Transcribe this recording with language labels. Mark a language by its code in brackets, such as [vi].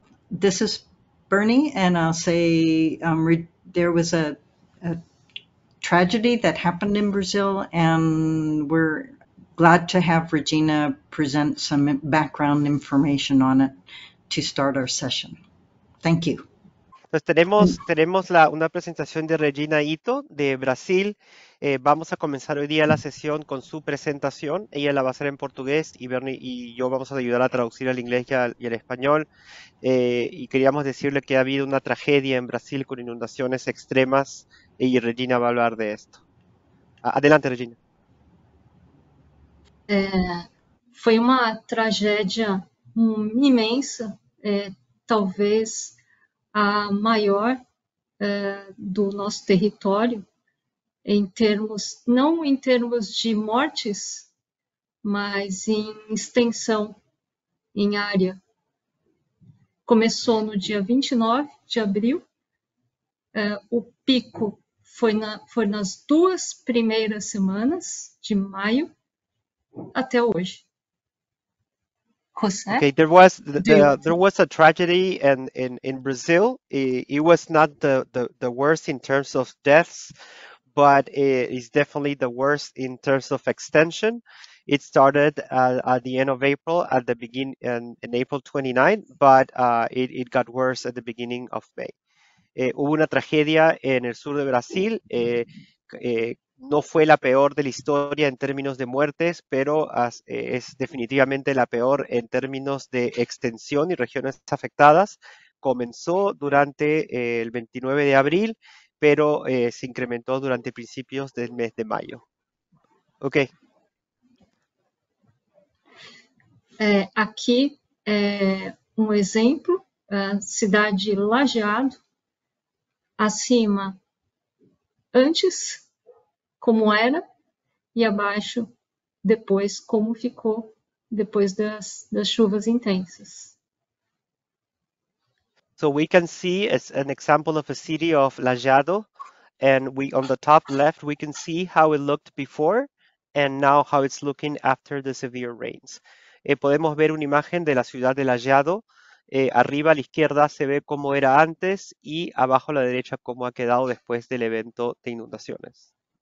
[en] This is Bernie, and I'll say there was a tragedy that happened in Brazil, and we're glad to have Regina present some background information on it to start our session. Thank you. [es] Entonces tenemos una presentación de Regina Ito de Brasil. Vamos a comenzar hoy día la sesión con su presentación. Ella la va a hacer en portugués y Bernie y yo vamos a ayudar a traducir al inglés y al español. Y queríamos decirle que ha habido una tragedia en Brasil con inundaciones extremas y Regina va a hablar de esto. Adelante, Regina. [pt] Foi uma tragédia imensa, talvez a maior do nosso território, em termos, não em termos de mortes, mas em extensão, em área. Começou no dia 29 de abril, o pico foi nas 2 primeiras semanas de maio. Até hoje. José? [en] Okay, there was [pt] Deu. [en] there was a tragedy and in Brazil. It was not the worst in terms of deaths, but it is definitely the worst in terms of extension. It started at the end of April, at the beginning in April 29, but it got worse at the beginning of May. [es] Hubo una tragedia en el sur de Brasil. No fue la peor de la historia en términos de muertes, pero es definitivamente la peor en términos de extensión y regiones afectadas. Comenzó durante el 29 de abril, pero se incrementó durante principios del mes de mayo. Ok. [pt] Aqui é um exemplo, a cidade Lajeado, acima antes como era e abaixo depois como ficou depois das chuvas intensas. [en] So we can see as an example of a city of Lajeado, and we on the top left we can see how it looked before and now how it's looking after the severe rains. [es] Podemos ver una imagen de la ciudad de Lajeado. Arriba a la izquierda se ve cómo era antes y abajo a la derecha cómo ha quedado después del evento de inundaciones.